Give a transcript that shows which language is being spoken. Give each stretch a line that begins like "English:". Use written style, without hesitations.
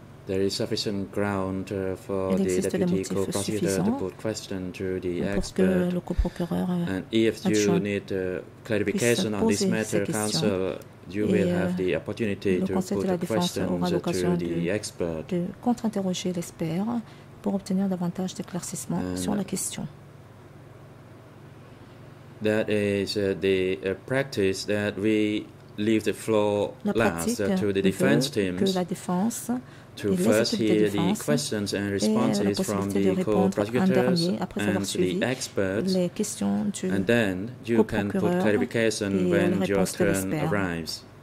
English: there is sufficient ground for the deputy co-prosecutor to put question to the expert. And if you need clarification on this matter, counsel, you will have the opportunity to put questions to the expert.
French: De contre-interroger l'expert pour obtenir davantage d'éclaircissement sur la question.
English: That is the practice that we leave the floor last to the defense teams to first hear the questions and responses from the co-prosecutors and the experts, and then you can put clarification when your turn arrives.